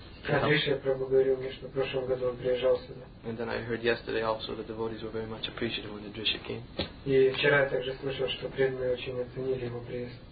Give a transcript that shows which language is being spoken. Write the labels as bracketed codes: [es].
[ru] Адриша Прабху говорил мне, что в прошлом году он приезжал сюда. [en] And then I heard yesterday also that devotees were very much appreciative when Adrisha came. [ru] И вчера я также слышал, что преданные очень оценили его приезд.